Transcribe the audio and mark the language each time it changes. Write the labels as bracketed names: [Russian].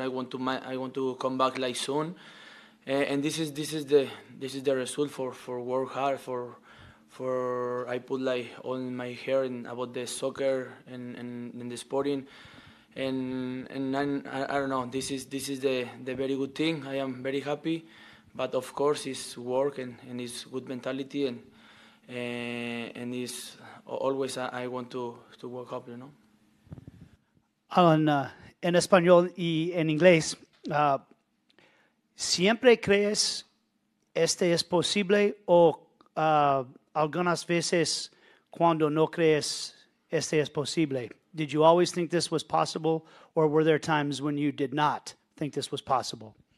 [English] I want to come back like soon. And this is the result for work hard for I put like all my hair in about the soccer and the sporting. And I don't know. This is the very good thing. I am very happy, but of course it's work and it's good mentality and it's always I want to work up, you know. [Spanish] Alan, en español y en inglés, ¿siempre crees este es posible o algunas veces cuando no crees este es posible? [English] Did you always think this was possible or were there times when you did not think this was possible?